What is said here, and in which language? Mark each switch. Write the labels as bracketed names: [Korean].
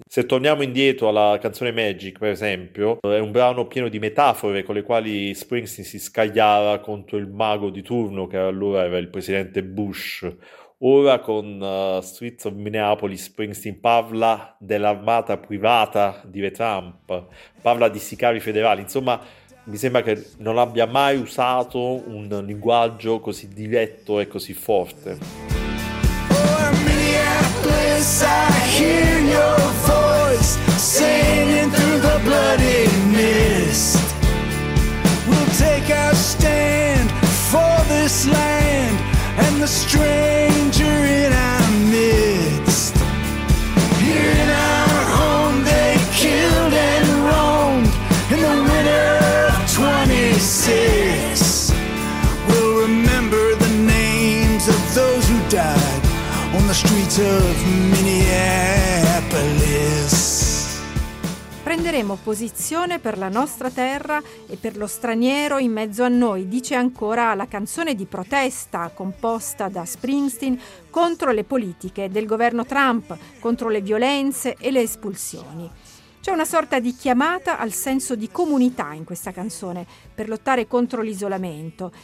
[Italian] Se torniamo indietro alla canzone Magic, per esempio, è un brano pieno di metafore con le quali Springsteen si scagliava contro il mago di turno, che allora era il presidente Bush. Ora con Streets of Minneapolis Springsteen parla dell'armata privata di Trump, parla di sicari federali. Insomma, mi sembra che non abbia mai usato un linguaggio così diretto e così forte. [English] Or Minneapolis, I hear your voice singing through the bloody mist. We'll take our stand for this land and the stranger in our midst. Here in our home they killed and roamed in the winter of 26. We'll remember the names of those who died on the streets of Minneapolis. [Italian] prenderemo posizione per la nostra terra e per lo straniero in mezzo a noi, dice ancora la canzone di protesta composta da Springsteen contro le politiche del governo Trump, contro le violenze e le espulsioni. C'è una sorta di chiamata al senso di comunità in questa canzone per lottare contro l'isolamento.